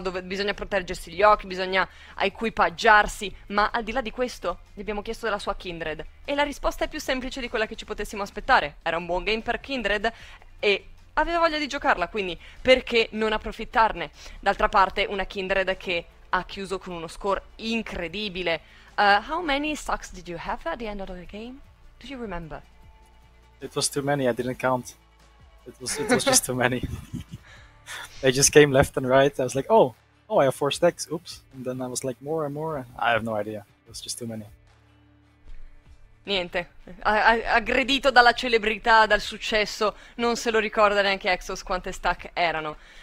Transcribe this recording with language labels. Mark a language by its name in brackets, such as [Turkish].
[Italian] Dove bisogna proteggersi gli occhi, bisogna equipaggiarsi, ma al di là di questo gli abbiamo chiesto della sua kindred e la risposta è più semplice di quella che ci potessimo aspettare, era un buon game per kindred e... aveva voglia di giocarla, quindi perché non approfittarne? D'altra parte, una kindred che ha chiuso con uno score incredibile. [English] How many stocks did you have at the end of the game? Do you remember? It was too many, I didn't count. It was just too many. They just came left and right. I was like, oh, I have 4 stacks, oops. And then I was like, more and more. I have no idea, it was just too many. [Italian] Niente, aggredito dalla celebrità, dal successo, non se lo ricorda neanche Exos quante stack erano.